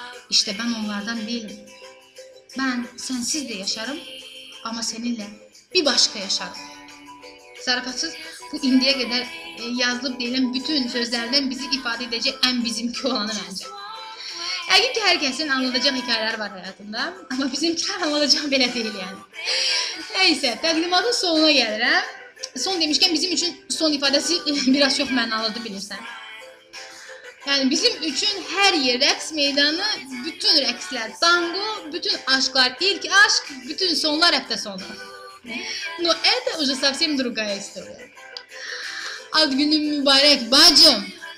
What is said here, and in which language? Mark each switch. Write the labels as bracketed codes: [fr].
[tr] İşte ben onlardan değilim. Ben sensiz de yaşarım, ama seninle bir başka yaşarım. [az] Zarafatsız, bu indiyə qədər yazılıb deyilən bütün sözlerden bizi ifadə edəcək ən bizimki olanı məncə. Yəqin ki, hər kəsin anlatacağı hekayələr var hayatında, ama bizimkilər anlatacağı belə deyil yani. Neyse, təqdimatın sonuna gəlirəm. Son demişken bizim üçün son ifadəsi biraz çox mənalıdır bilirsən. Yani bizim üçün hər yer rəqs meydanı, bütün rəqslər tango, bütün aşklar ilk aşk, bütün sonlar həftə sonu. [ru] No, это уже совсем другая история. [az] Ad günün mübarək bacım.